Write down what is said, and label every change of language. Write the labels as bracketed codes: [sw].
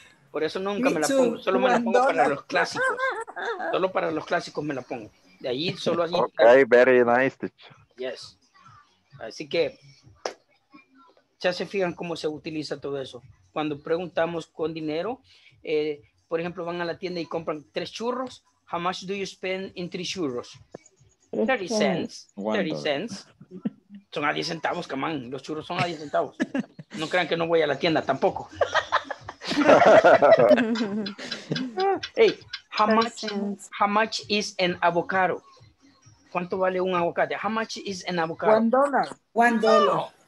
[es] Por eso nunca me la pongo. Solo me la pongo para los clásicos. Solo para los clásicos me la pongo. De ahí solo así. [en] Ok, claro. Very nice, teacher. Yes. [es] Así que ya se fijan cómo se utiliza todo eso. Cuando preguntamos con dinero, por ejemplo, van a la tienda y compran 3 churros. [en] How much do you spend in 3 churros? 30 cents. 30 cents. [es] Son a 10 centavos, camán. Los churros son a 10 centavos. No crean que no voy a la tienda tampoco. [en] Hey, how much is an avocado? [es] ¿Cuánto vale un avocado? [en] How much is an avocado? $1. $1.